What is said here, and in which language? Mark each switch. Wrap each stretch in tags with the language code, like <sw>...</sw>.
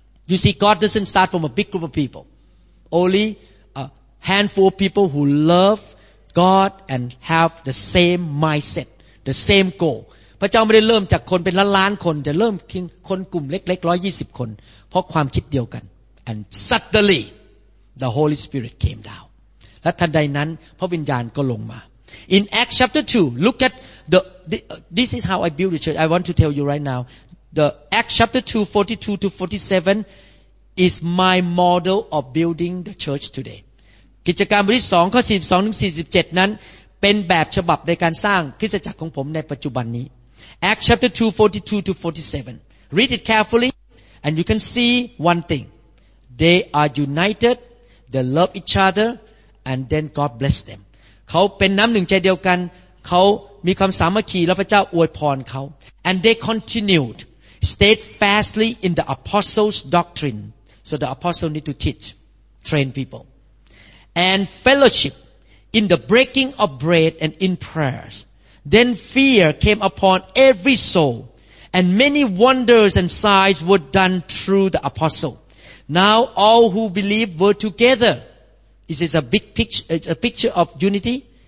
<en>You see God doesn't start from a big group of people only a handful of people who love God and have the same mindset the same goal</en> <th>พระเจ้าไม่ได้เริ่มจากคนเป็นล้านๆคนแต่เริ่มคนกลุ่มเล็กๆ120คนเพราะความคิดเดียวกัน</th> <en>and suddenlyThe Holy Spirit came down.</en> <th>และทันใดนั้นพระวิญญาณก็ลงมา</th> <en>In Acts chapter 2, look at the this is how I build the church. I want to tell you right now. The Acts chapter 2, 42 to 47 is my model of building the church today.</en> <th>กิจการบทที่2ข้อ42ถึง47นั้นเป็นแบบฉบับในการสร้างคริสตจักรของผมในปัจจุบันนี้</th> <en>Acts chapter 2, 42 to 47. Read it carefully and you can see one thing. They are unitedThey love each other, and then God bless them.</en> <th>เขาเป็นน้ำหนึ่งใจเดียวกันเขามีความสามัคคีแล้วพระเจ้าอวยพรเขา</th> <en>And they continued steadfastly in the apostles' doctrine. So the apostles need to teach, train people. And fellowship in the breaking of bread and in prayers. Then fear came upon every soul, and many wonders and signs were done through the apostles. Now all who believed were together. This is a big picture, it's a picture of unity.</en>